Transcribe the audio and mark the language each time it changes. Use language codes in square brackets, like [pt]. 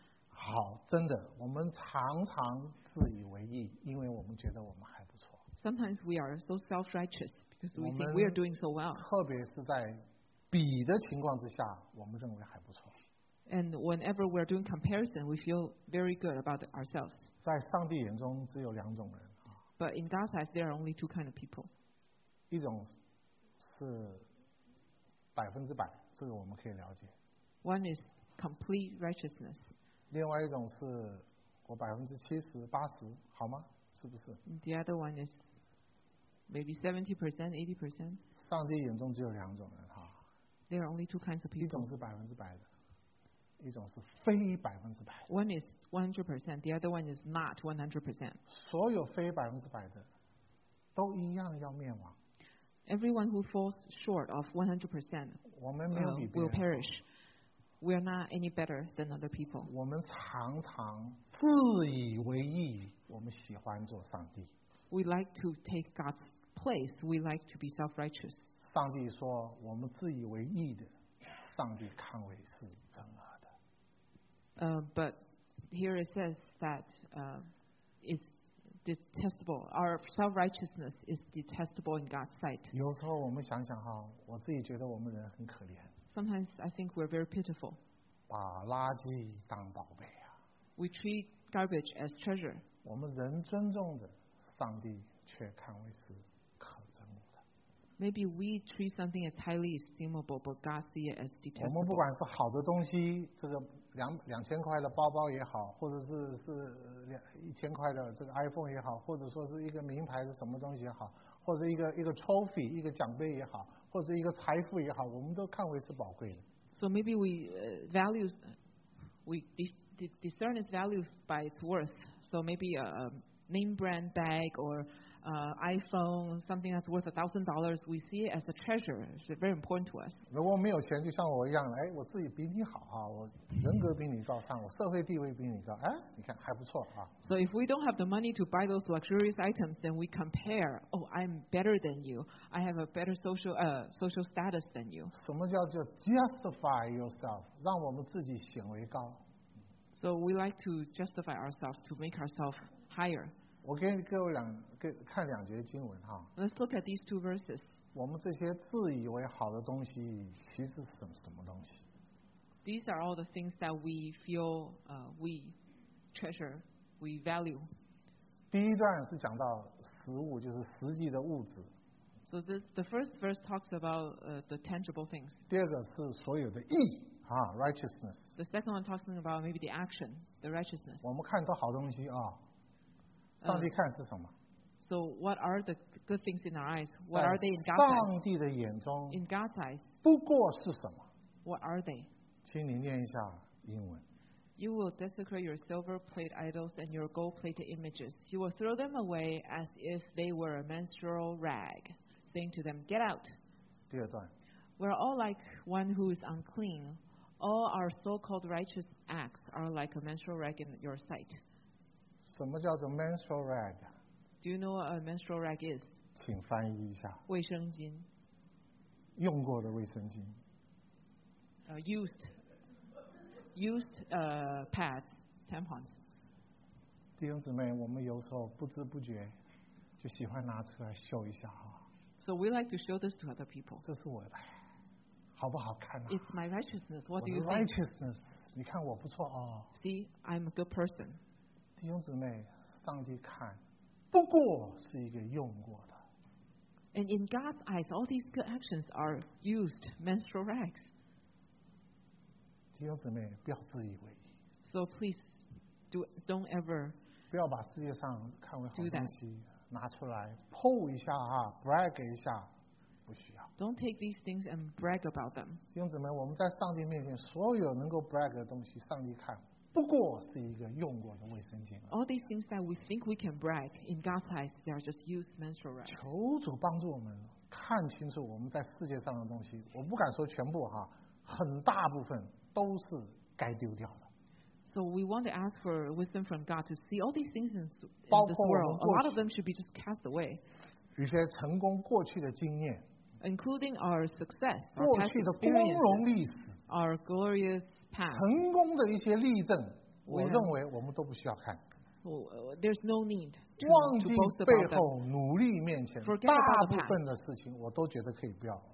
[zh] 好, 真的, 我们常常自以为意, 因为我们觉得我们还不错。 [en] Sometimes we are so self-righteous because we think we are doing so well. [zh] 特别是在比的情况之下, 我们认为还不错。 [en] And whenever we are doing comparison, we feel very good about ourselves. [zh] 在上帝眼中只有两种人。 [en] But in God's eyes, there are only two kinds of people. [zh] 一种是百分之百,这个我们可以了解。 [en] One is complete righteousness. [zh] 另外一种是我百分之七十、八十，好吗？是不是 [en] ？The other one is maybe 70%, 80%. [zh] 上帝眼中只有两种人哈。 [en] There are only two kinds of people. [zh] 一种是百分之百的。一种是非百分之百。 [en] One is 100%, the other one is not 100%. [zh] 所有非百分之百的都一样要灭亡。 [en] Everyone who falls short of 100%, [zh] 我们没有比别人 [en] will perish. We are not any better than other people. [zh] 我们常常自以为意，我们喜欢做上帝。 [en] We like to take God's place. We like to be self-righteous. 上帝说，我们自以为意的，上帝看为是真啊。 But here it says that it's detestable. Our self-righteousness is detestable in God's sight. [zh] 有时候我们想想哈，我自己觉得我们人很可怜。 [en] Sometimes I think we're very pitiful. [zh] 把垃圾当宝贝啊。 [en] We treat garbage as treasure. [zh] 我们人尊重的，上帝却看为是可憎的。 [en] Maybe we treat something as highly estimable, but God sees it as detestable. [zh] 我们不管是好的东西，这个。两千块的包包也好，或者 是一千块的这个 iPhone 也好，或者说是一个名牌的什么东西也好，或者一个 trophy 一个奖杯也好，或者一个财富也好，我们都看为是宝贵的。 [en] So maybe we discern its value by its worth. So maybe a name brand bag or iPhone, something that's worth $1,000, we see it as a treasure. It's very important to us. [zh] 如果没有钱，就像我一样，哎，我自己比你好哈，我人格比你高尚，我社会地位比你高，哎，你看还不错啊。 [en] So if we don't have the money to buy those luxurious items, then we compare. Oh, I'm better than you. I have a better social status than you. [zh] 什么叫做 [en] justify yourself? [zh] 让我们自己显为高。 [en] So we like to justify ourselves to make ourselves higher. [zh] 我给各位看两节经文哈。 [en] Let's look at these two verses. [zh] 我们这些自以为好的东西，其实是什么东西 [en] ？These are all the things that we feel, we treasure, we value. [zh] 第一段是讲到实物，就是实际的物质。 [en] So the first verse talks about the tangible things. [zh] 第二个是所有的义啊 ，righteousness. [en] The second one talks about maybe the action, the righteousness. 我们看到好东西啊，上帝看是什么？ So what are the good things in our eyes? What are they in God's eyes? [zh] 上帝的眼中 [en] in God's eyes, [zh] 不过是什么？ [en] What are they? [zh] 请你念一下英文。 [en] You will desecrate your silver plate idols and your gold plated images. You will throw them away as if they were a menstrual rag, saying to them, get out. [zh] 第二段。 [en] We're all like one who is unclean. All our so-called righteous acts are like a menstrual rag in your sight. [zh] 什么叫做 [en] menstrual rag? Do you know what a menstrual rag is? [zh] 请翻译一下。卫生巾。用过的卫生巾。 [en] Used pads, tampons. [zh] 弟兄姊妹，我们有时候不知不觉就喜欢拿出来秀一下哈。 [en] So we like to show this to other people. [zh] 这是我的，好不好看啊 [en] ？It's my righteousness. What do you think? [zh] 我的 righteousness， 你看我不错哦。 [en] See, I'm a good person. [zh] 弟兄姊妹，上帝看。不过是一个用过的。 [en] And in God's eyes, all these good actions are used menstrual rags. [zh] 弟兄姊妹，不要自以为意。 [en] So please, don't ever. [zh] 不要把世界上看为好东西拿出来 pull 一下哈 ，brag 一下，不需要。 [en] Don't take these things and brag about them. [zh] 弟兄姊妹，我们在上帝面前，所有能够 brag 的东西，上帝看。不过是一个用过的卫生巾。 [en] All these things that we think we can brag in God's eyes, they are just used menstrual rags. [zh] 求主帮助我们看清楚我们在世界上的东西，我不敢说全部哈，很大部分都是该丢掉的。 [en] So we want to ask for wisdom from God to see all these things in this world. A lot of them should be just cast away. [zh] 一些成功过去的经验。 [en] Including our success, our [zh] 过去的光荣历史 [en] our glorious past, [zh] 成功的一些例证 我认为我们都不需要看 [en] There's no need to [zh] 忘记背后努力面前 [en] forget about the past, [zh] 大部分的事情我都觉得可以不要